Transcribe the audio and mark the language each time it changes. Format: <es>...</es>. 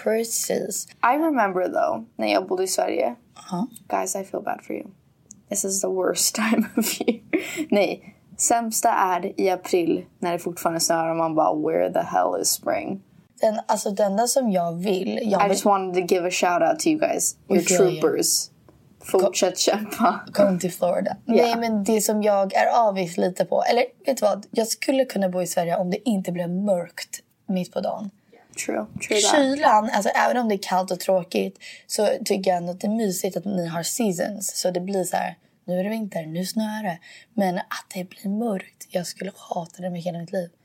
<sv>Precis. I remember though, när jag bodde i Sverige. Uh-huh.</sv> <en>Guys, I feel bad for you. This is the worst time of year.</en> <sv>Nej, sämsta är i april när det fortfarande snöar och man bara, where the hell is spring? Den, alltså det enda som jag vill, jag vill...</sv> <en>I just wanted to give a shout out to you guys, your troopers.</en> <sv>Fortsätt kämpa. Kom till Florida. Yeah. Nej, men det som jag är avvis lite på, eller vet du vad, jag skulle kunna bo i Sverige om det inte blev mörkt. Mitt på dagen.</sv> <en>True</en> <sv>Kylan, alltså även om det är kallt och tråkigt, så tycker jag ändå att det är mysigt att ni har seasons. Så det blir så här, nu är det vinter, nu snöar det. Men att det blir mörkt, jag skulle hata det med hela mitt liv.</sv>